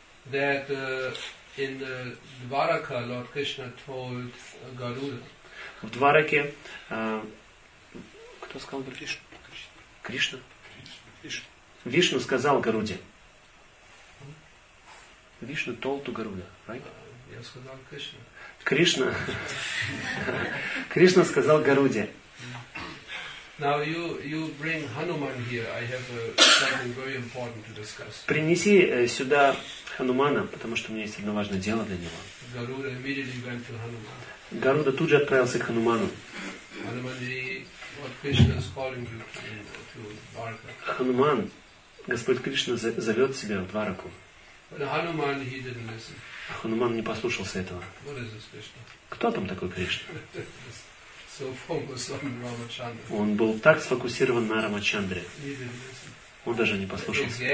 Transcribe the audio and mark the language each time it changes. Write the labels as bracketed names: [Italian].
[English] That in the Dwaraka, Lord Krishna told Garuda. [Russian] В Двараке, кто сказал про Кришну? Кришна. Вишну сказал Гаруде. [English] Вишну told to Garuda, right? [Russian] Я сказал Кришна. Кришна. Кришна сказал Гаруде. [English] Now you bring Hanuman here. I have something very important to discuss. [Russian] Принеси сюда Ханумана, потому что у меня есть одно важное дело для него. [English] Garuda immediately went to Hanuman. [Russian] Гаруда тут же отправился к Хануману. [English] Hanuman, what Krishna is calling you to Dwaraka. [Russian] Хануман, Господь Кришна зовет себя в Двараку. [English] But Hanuman, he didn't listen. [Russian] Хануман не послушался этого. [English] What is this Krishna? [Russian] Кто там такой Кришна? [English] So [Russian] он был так сфокусирован на Рамачандре. Он даже не послушался.